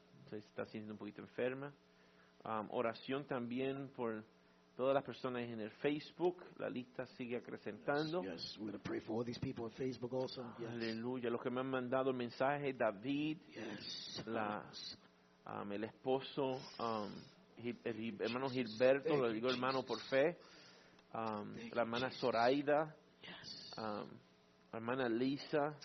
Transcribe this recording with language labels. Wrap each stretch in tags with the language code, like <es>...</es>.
<es>Se está sintiendo un poquito enferma. Oración también por todas las personas en el Facebook, la lista sigue acrecentando.</es> <en>Yes, we're going to pray for all these people on Facebook also. Yes.</en> <es>Aleluya, los que me han mandado el mensaje, David,</es> <en>yes.</en> <es>El esposo, el hermano Gilberto, lo digo hermano por fe, la hermana Zoraida, la hermana Lisa,</es>